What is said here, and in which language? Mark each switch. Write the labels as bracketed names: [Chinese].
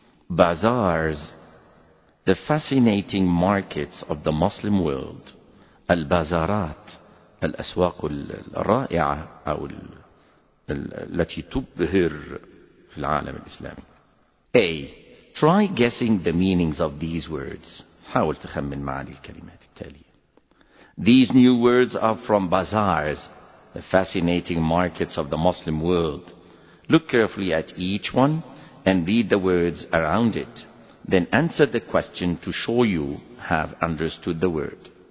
[English] Bazaars, the fascinating markets of the Muslim world. [Arabic] Al-Bazarat, al-Aswaq al-Ra'i'a, أو التي تبهر في العالم الإسلامي. [English] A. Try guessing the meanings of these words. [Arabic] حاول تخمن معاني الكلمات التالية. [English] These new words are from bazaars, the fascinating markets of the Muslim world. Look carefully at each one and read the words around it. Then answer the question to show you have understood the word.